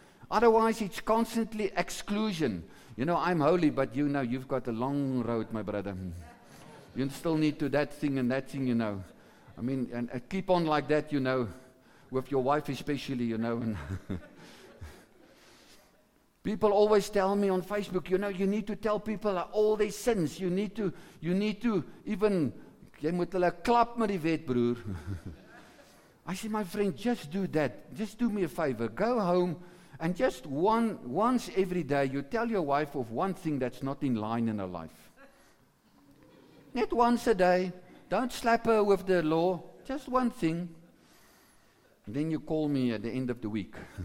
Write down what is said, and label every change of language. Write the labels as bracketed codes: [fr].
[en] Otherwise, it's constantly exclusion. You know, I'm holy, but you know, you've got a long road, my brother. You still need to that thing and that thing, you know. I mean, and keep on like that, you know, with your wife especially, you know. And people always tell me on Facebook, you know, you need to tell people all their sins. You need to even, [af] jy moet hulle klap met die wet, broer. [en] I say, my friend, just do that. Just do me a favor. Go home. And just once every day, you tell your wife of one thing that's not in line in her life. Not once a day. Don't slap her with the law. Just one thing. And then you call me at the end of the week.